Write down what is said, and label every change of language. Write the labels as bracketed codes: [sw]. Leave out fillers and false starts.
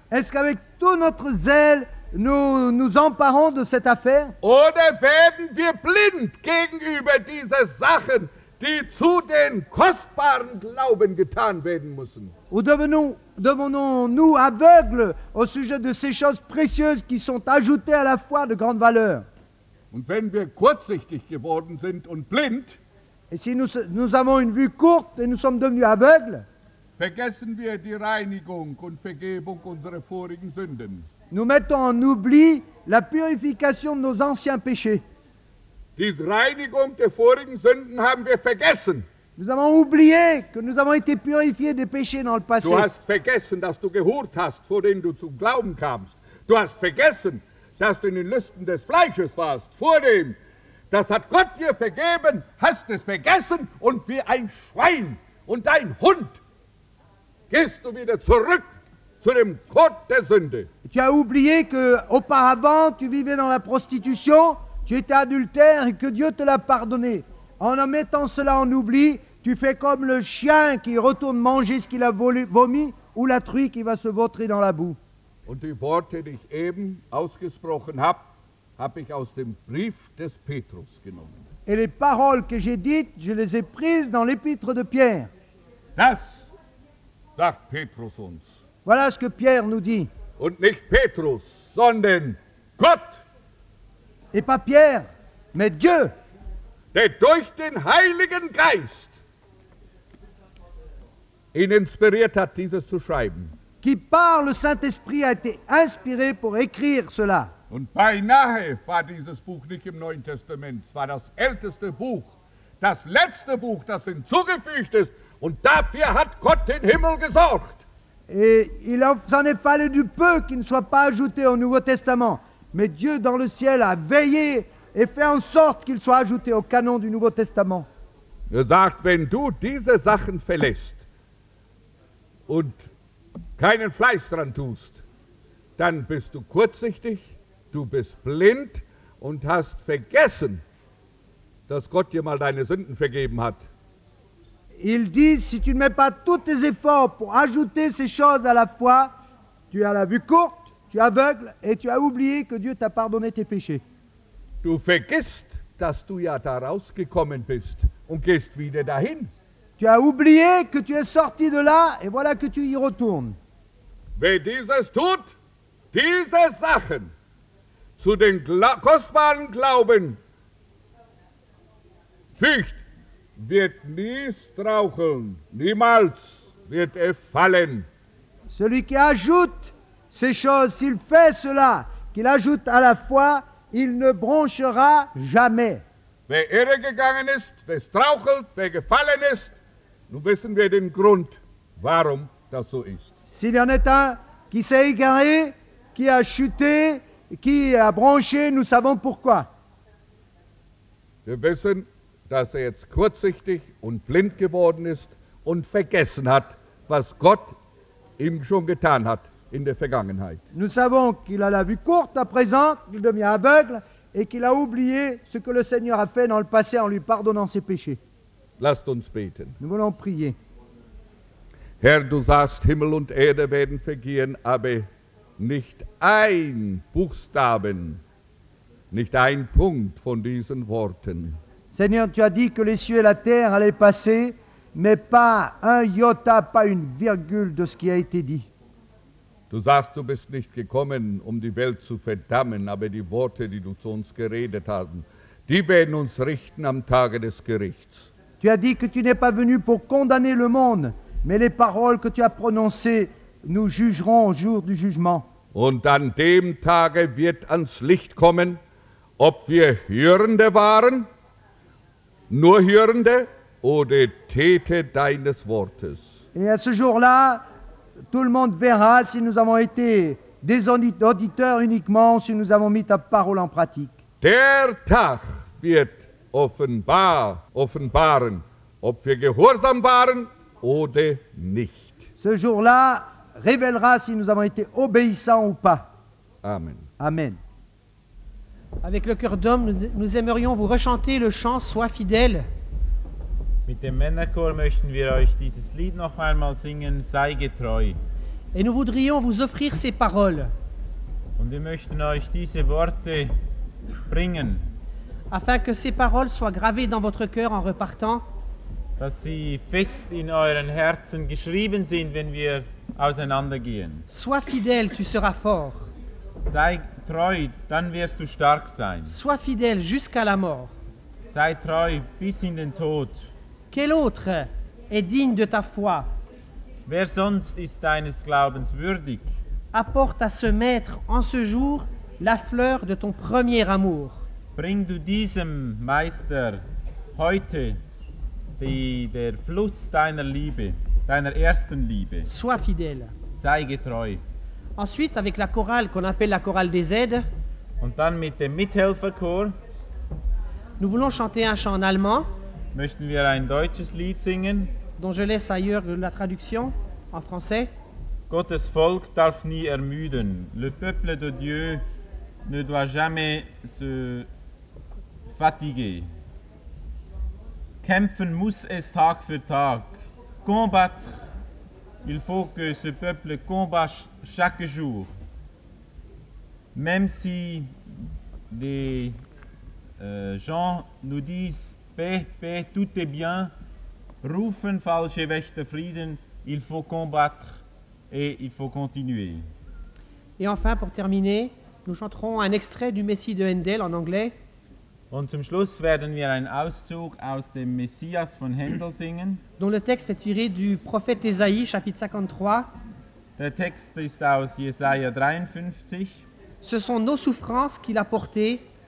[fr] Est-ce qu'avec tout notre zèle, nous emparons de cette affaire? [de] Oder werden wir blind gegenüber diesen Sachen, die zu den kostbaren Glauben getan werden müssen? [fr] Ou devenons-nous aveugles au sujet de ces choses précieuses qui sont ajoutées à la foi de grande valeur? [de] Und wenn wir kurzsichtig geworden sind und blind, [fr] et si nous avons une vue courte et nous sommes devenus aveugles, [de] vergessen wir die Reinigung und Vergebung unserer vorigen Sünden. [fr] Nous mettons en oubli la purification de nos anciens péchés. [de] Die Reinigung der vorigen Sünden haben wir vergessen. [fr] Nous avons oublié que nous avons été purifiés des péchés dans le passé. [de] Du hast vergessen, dass du gehurt hast, vor dem du zum Glauben kamst. Du hast vergessen, dass du in den Lüsten des Fleisches warst, vor dem. Das hat Gott dir vergeben, hast es vergessen und wie ein Schwein und ein Hund gehst du wieder zurück zu dem Kot der Sünde. [fr] Tu as oublié que auparavant tu vivais dans la prostitution, tu étais adultère et que Dieu te l'a pardonné. En mettant cela en oubli, tu fais comme le chien qui retourne manger ce qu'il a vomi ou la truie qui va se vautrer dans la boue. [de] Und die Worte, die ich eben ausgesprochen habe, habe ich aus dem Brief des Petrus genommen. [fr] Et les paroles que j'ai dites, je les ai prises dans l'épître de Pierre. [de] Das sagt Petrus uns. [fr] Voilà ce que Pierre nous dit. [de] Und nicht Petrus, sondern Gott. [fr] Et pas Pierre, mais Dieu. [de] Der durch den Heiligen Geist ihn inspiriert hat, dieses zu schreiben. [fr] Qui par le Saint-Esprit a été inspiré pour écrire cela. [de] Und beinahe war dieses Buch nicht im Neuen Testament. Es war das älteste Buch, das letzte Buch, das hinzugefügt ist. Und dafür hat Gott den Himmel gesorgt. [fr] Et il s'en est fallu du peu qu'il ne soit pas ajouté au Nouveau Testament. Mais Dieu dans le ciel a veillé et fait en sorte qu'il soit ajouté au canon du Nouveau Testament. [de] Er sagt, wenn du diese Sachen verlässt und keinen Fleiß dran tust, dann bist du kurzsichtig, du bist blind und hast vergessen, dass Gott dir mal deine Sünden vergeben hat. [fr] Il dit, si tu ne mets pas tous tes efforts pour ajouter ces choses à la foi, tu as la vue courte, tu es aveugle et tu as oublié que Dieu t'a pardonné tes péchés. [de] Du vergisst, dass du ja da rausgekommen bist und gehst wieder dahin. [fr] Tu as oublié que tu es sorti de là et voilà que tu y retournes. [de] Wer dieses tut, diese Sachen zu den kostbaren Glauben fügt, wird nie straucheln, niemals wird er fallen. [fr] Celui qui ajoute ces choses, s'il fait cela, qu'il ajoute à la foi, il ne bronchera jamais. [de] Wer irre gegangen ist, wer strauchelt, wer gefallen ist, nun wissen wir den Grund, warum das so ist. [fr] S'il y en est un qui s'est égaré, qui a chuté, qui a branché, nous savons pourquoi. [de] Wir wissen, dass jetzt kurzsichtig und blind geworden ist und vergessen hat, was Gott ihm schon getan hat in der Vergangenheit. [fr] Nous savons qu'il a la vue courte à présent, qu'il devient aveugle et qu'il a oublié ce que le Seigneur a fait dans le passé en lui pardonnant ses péchés. [de] Lasst uns beten. [fr] Nous voulons prier. [de] Herr, du sagst, Himmel und Erde werden vergehen, aber nicht ein Buchstaben, nicht ein Punkt von diesen Worten. [fr] Seigneur, tu as dit que les cieux et la terre allaient passer, mais pas un iota, pas une virgule de ce qui a été dit. [de] Du sagst, du bist nicht gekommen, um die Welt zu verdammen, aber die Worte, die du zu uns geredet hast, die werden uns richten am Tage des Gerichts. [fr] Tu as dit que tu n'es pas venu pour condamner le monde, mais les paroles que tu as prononcées nous jugeront au jour du jugement. [de] Und an dem Tage wird ans Licht kommen, ob wir Hörende waren, nur Hörende oder Täter deines Wortes. [fr] Et à ce jour-là, tout le monde verra si nous avons été des auditeurs uniquement, si nous avons mis ta parole en pratique. [de] Der Tag wird offenbaren, ob wir gehorsam waren oder nicht. [fr] Ce jour-là révélera si nous avons été obéissants ou pas. [de] Amen. [fr] Amen. Avec le cœur d'homme, nous aimerions vous rechanter le chant « Sois fidèle ». [de] Mit dem Männerchor möchten wir euch dieses Lied noch einmal singen, « Sei getreu ». [fr] Et nous voudrions vous offrir ces paroles. [de] Und wir möchten euch diese Worte bringen. [fr] Afin que ces paroles soient gravées dans votre cœur en repartant. [de] Dass sie fest in euren Herzen geschrieben sind, wenn wir auseinandergehen. [fr] Sois fidèle, tu seras fort. [de] Sei treu, dann wirst du stark sein. [fr] Sois fidèle jusqu'à la mort. [de] Sei treu bis in den Tod. [fr] Quel autre est digne de ta foi? [de] Wer sonst ist deines Glaubens würdig? [fr] Apporte à ce maître en ce jour la fleur de ton premier amour. [de] Bring du diesem Meister heute der Fluss deiner Liebe, deiner ersten Liebe. [fr] Sois fidèle. [de] Sei getreu. [fr] Ensuite, avec la chorale qu'on appelle la chorale des aides. [de] Und dann mit dem Mithelferchor. [fr] Nous voulons chanter un chant en allemand. [de] Möchten wir ein deutsches Lied singen. [fr] Dont je laisse ailleurs la traduction en français. [de] Gottes Volk darf nie ermüden. [fr] Le peuple de Dieu ne doit jamais se fatiguer. [de] Kämpfen muss es Tag für Tag. [fr] Combattre. Il faut que ce peuple combat chaque jour. Même si des gens nous disent paix, paix, tout est bien, [de] rufen falsche Wächter Frieden, [fr] il faut combattre et il faut continuer. Et enfin, pour terminer, nous chanterons un extrait du Messie de Händel en anglais. [de] Und zum Schluss werden wir einen Auszug aus dem Messias von Händel singen. [fr] Dont le texte est tiré du prophète Ésaïe, chapitre 53. [de] Der Text ist aus Jesaja 53. [fr] Ce sont nos souffrances qu'il a portées.